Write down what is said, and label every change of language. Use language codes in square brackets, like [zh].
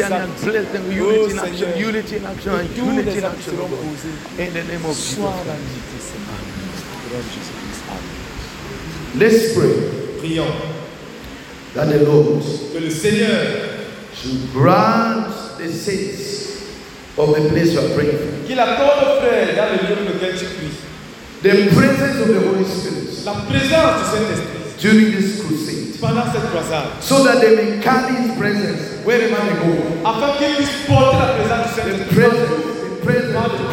[en] actions. And bless them. Unity in action. Unity in action. And unity in action. In the name of Jesus Christ. Amen. Let's pray. [fr] Prions. [en] That the Lord, [fr] que le Seigneur, [en] should grant the saints of the place you are praying for, [fr] qu'il accorde aux frères dans le lieu dans lequel tu pries, [en] the presence of the Holy Spirit, [fr] la présence du Saint-Esprit, [en] during this crusade, [fr] pendant cette croisade, [en] so that they may carry His presence wherever they go, [fr] afin qu'ils puissent porter la présence du Saint-Esprit.